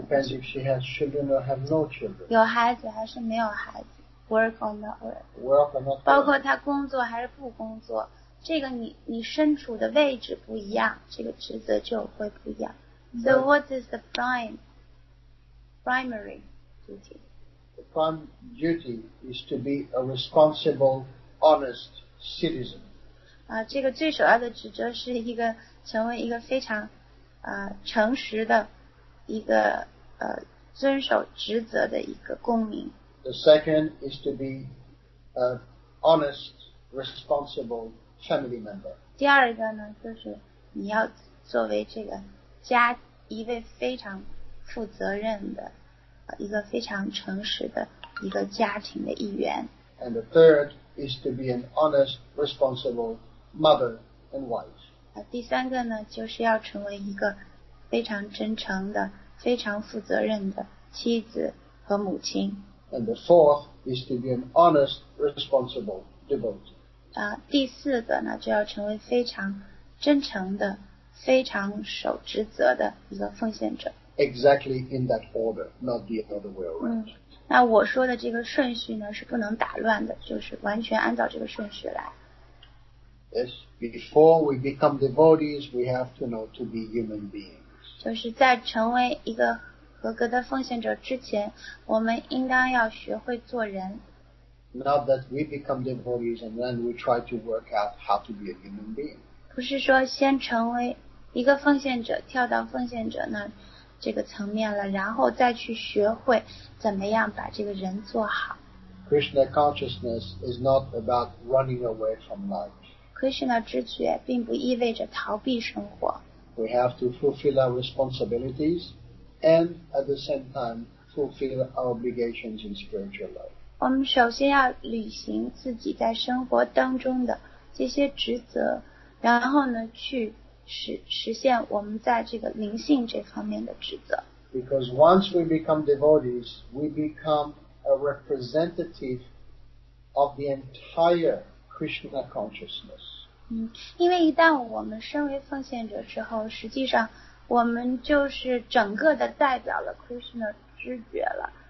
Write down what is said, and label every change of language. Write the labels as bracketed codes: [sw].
[en] depends if she has children or have no children. [zh] 有孩子还是没有孩子， [en] work or not work, work or not, [zh] 包括她工作还是不工作，这个你身处的位置不一样，这个职责就会不一样。 [en] So what is the primary duty? The prime duty is to be a responsible, honest citizen. [zh] 这个最首要的职责是一个成为一个非常诚实的一个遵守职责的一个公民。 [en] The second is to be an honest, responsible family member. [zh] 第二个呢，就是你要作为这个家一位非常负责任的一个非常诚实的一个家庭的一员。 [en] And the third is to be an honest, responsible mother and wife. [zh] 第三个呢，就是要成为一个非常真诚的、非常负责任的妻子和母亲。 [en] And the fourth is to be an honest, responsible devotee. [zh] 第四个呢，就要成为非常真诚的、非常守职责的一个奉献者。 [en] Exactly in that order, not the other way around. [zh] 那我说的这个顺序呢是不能打乱的，就是完全按照这个顺序来。 [en] Yes, before we become devotees, we have to know to be human beings. [zh] 就是在成为一个合格的奉献者之前，我们应当要学会做人。 [en] Not that we become devotees and then we try to work out how to be a human being. [zh] 不是说先成为一个奉献者，跳到奉献者那这个层面了，然后再去学会怎么样把这个人做好。 [en] Krishna consciousness is not about running away from life. [zh] Krishna 知觉并不意味着逃避生活。 [en] We have to fulfill our responsibilities and at the same time fulfill our obligations in spiritual life. [zh] 我们首先要履行自己在生活当中的这些职责，然后呢去实现我们在这个灵性这方面的职责。 [en] Because once we become devotees, we become a representative of the entire Krishna consciousness. [zh] 因为一旦我们身为奉献者之后，实际上我们就是整个的代表了 Krishna 知觉了。